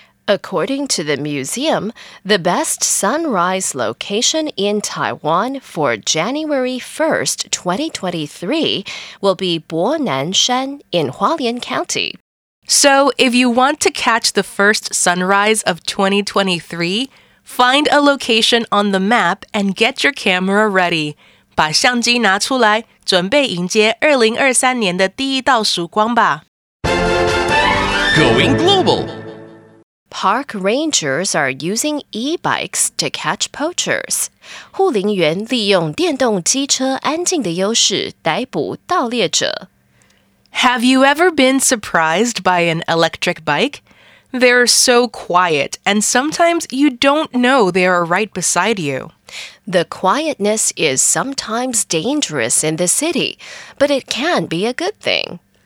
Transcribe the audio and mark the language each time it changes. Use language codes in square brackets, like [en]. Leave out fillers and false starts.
[en] According to the museum, the best sunrise location in Taiwan for January 1st, 2023 will be Bonanshan in Hualien County. So, if you want to catch the first sunrise of 2023, find a location on the map and get your camera ready. [zh] 把相机拿出来，准备迎接2023年的第一道曙光吧。 [en] Going global. Park rangers are using e-bikes to catch poachers. [zh] 护林员利用电动机车安静的优势逮捕盗猎者。 [en] Have you ever been surprised by an electric bike? They're so quiet, and sometimes you don't know they are right beside you. The quietness is sometimes dangerous in the city, but it can be a good thing.